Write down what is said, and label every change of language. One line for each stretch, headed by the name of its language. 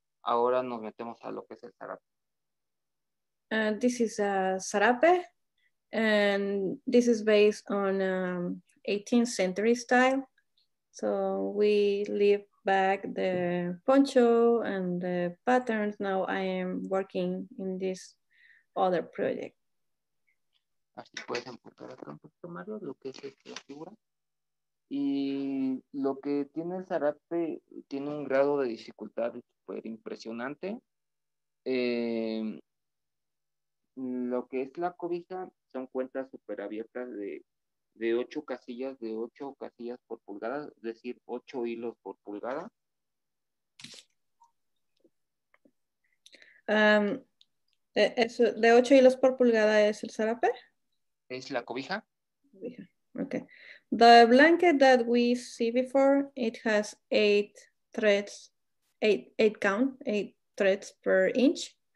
Spanish: Ahora nos metemos a lo que es el sarape.
English: This is a sarape, and this is based on 18th century style. So we leave back the poncho and the patterns. Now I am working in this other project.
Spanish: Así puedes empujar acá un poquito más lo que es esta figura. Y lo que tiene el sarape tiene un grado de dificultad súper impresionante. Lo que es la cobija son cuentas súper abiertas de 8 casillas, de 8 casillas por pulgada, es decir, 8 hilos por pulgada. Eso, ¿de 8 hilos por pulgada es el sarape? Es la cobija.
English: Okay. The blanket that we see before, it has 8 threads, eight threads per inch.